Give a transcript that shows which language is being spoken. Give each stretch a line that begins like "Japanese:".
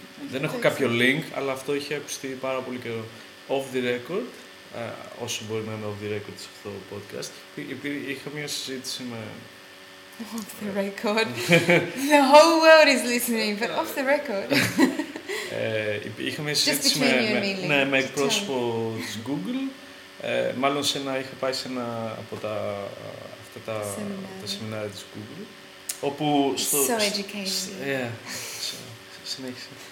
Greek: Δεν έχω κάποιο link, αλλά αυτό είχε ακουστεί πάρα πολύ καιρό.
English: Off the record.
Greek: Όσο μπορεί να είναι
English: off the record
Greek: σε αυτό το podcast, είχα μια συζήτηση με...
English: Off the record. The whole world is listening, but off the record.
Greek: Είχα μια συζήτηση με εκπρόσωπο της Google. Μάλλον είχα πάει σε ένα από τα σεμινάρια της Google. Όπου
English: στο... So educated. Yeah.
Greek: Συνέχισε.